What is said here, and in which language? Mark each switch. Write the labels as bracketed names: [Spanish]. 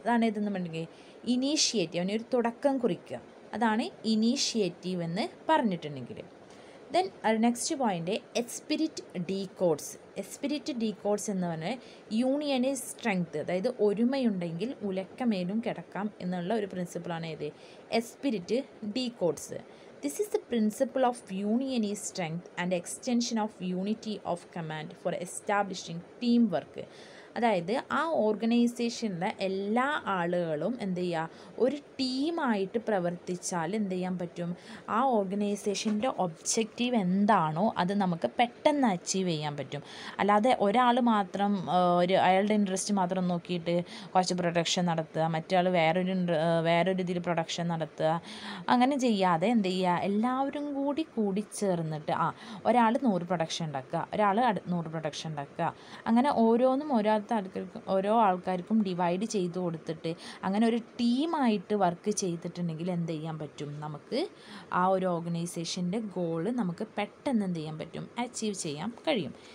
[Malayalam] അതാണ് ഇതെന്ന് പറഞ്ഞിട്ടുണ്ടെങ്കിൽ ഇനീഷ്യേറ്റീവ്, അതിനൊരു തുടക്കം കുറിക്കുക, അതാണ് ഇനീഷ്യേറ്റീവ് എന്ന് പറഞ്ഞിട്ടുണ്ടെങ്കിൽ. [English] then next point, [Malayalam] esprit decodes. Esprit decodes എന്ന് പറഞ്ഞാൽ യൂണിയനെ സ്ട്രെങ്ത്, അതായത് ഒരുമയുണ്ടെങ്കിൽ ഉലക്കമേലും കിടക്കാം എന്നുള്ള ഒരു പ്രിൻസിപ്പിളാണ് ഇത്, esprit decodes. [English] This is the principle of unionee strength and extension of unity of command for establishing teamwork. [Malayalam] അതായത് ആ ഓർഗനൈസേഷനിലെ എല്ലാ ആളുകളും എന്ത് ചെയ്യുക, ഒരു ടീമായിട്ട് പ്രവർത്തിച്ചാൽ എന്ത് ചെയ്യാൻ പറ്റും, ആ ഓർഗനൈസേഷൻ്റെ ഒബ്ജക്റ്റീവ് എന്താണോ അത് നമുക്ക് പെട്ടെന്ന് അച്ചീവ് ചെയ്യാൻ പറ്റും. അല്ലാതെ ഒരാൾ മാത്രം, ഒരു അയാളുടെ ഇൻട്രസ്റ്റ് മാത്രം നോക്കിയിട്ട് കുറച്ച് പ്രൊഡക്ഷൻ നടത്തുക, മറ്റേ ആൾ വേറൊരു ഇതിൽ പ്രൊഡക്ഷൻ നടത്തുക, അങ്ങനെ ചെയ്യാതെ എന്ത് ചെയ്യുക, എല്ലാവരും കൂടി ചേർന്നിട്ട് ഒരാൾ 100 പ്രൊഡക്ഷൻ ഉണ്ടാക്കുക, ഒരാൾ 100 പ്രൊഡക്ഷൻ ഉണ്ടാക്കുക, അങ്ങനെ ഓരോന്നും ഓരോ ആൾക്കാർക്കും ഡിവൈഡ് ചെയ്ത് കൊടുത്തിട്ട് അങ്ങനെ ഒരു ടീമായിട്ട് വർക്ക് ചെയ്തിട്ടുണ്ടെങ്കിൽ എന്ത് ചെയ്യാൻ പറ്റും, നമുക്ക് ആ ഒരു ഓർഗനൈസേഷൻ്റെ ഗോള് നമുക്ക് പെട്ടെന്ന് എന്ത് ചെയ്യാൻ പറ്റും, അച്ചീവ് ചെയ്യാൻ കഴിയും.